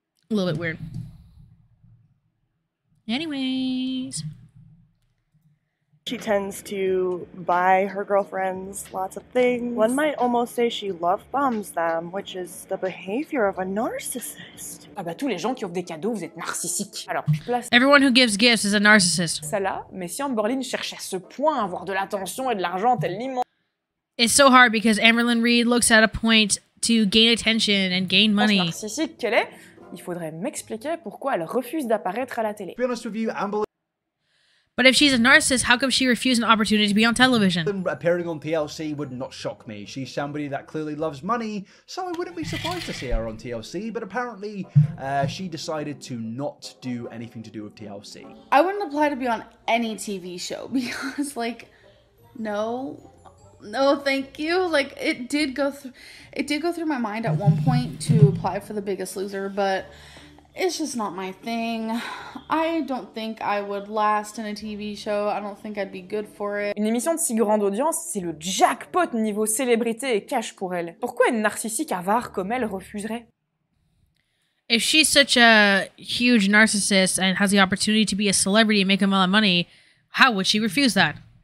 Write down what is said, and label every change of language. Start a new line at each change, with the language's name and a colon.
English: A little bit weird. Anyways. She tends to buy her girlfriends lots of things. One might almost say she love bombs them, which is the behavior of a narcissist.
French: Ah bah tous les gens qui offrent des cadeaux, vous êtes narcissiques. Alors, je place...
English: Everyone who gives gifts is a narcissist.
French: Ça là, mais si Amberlynn cherche à ce point à avoir de l'attention et de l'argent, telle l'immense...
English: It's so hard because Amberlynn Reid looks at a point to gain attention and gain money.
French: Narcissique qu'elle est, il faudrait m'expliquer pourquoi elle refuse d'apparaître à la télé.
English: Be honest with you, Amberlynn... But if she's a narcissist, how come she refused an opportunity to be on television? Appearing on TLC would not shock me. She's somebody that clearly loves money, so I wouldn't be surprised to see her on TLC. But apparently, she decided to not do anything to do with TLC. I wouldn't apply to be on any TV show because, like, no, no, thank you. Like, it did go through my mind at one point to apply for The Biggest Loser, but... It's just not my thing. I don't think I would last in a TV show. I don't think I'd be good for it.
French: Une émission de si grande audience, c'est le jackpot niveau célébrité et cash pour elle. Pourquoi une narcissique avare comme elle refuserait?
English: If she's such a huge narcissist and has the opportunity to be a celebrity and make a lot of money, how would she refuse that?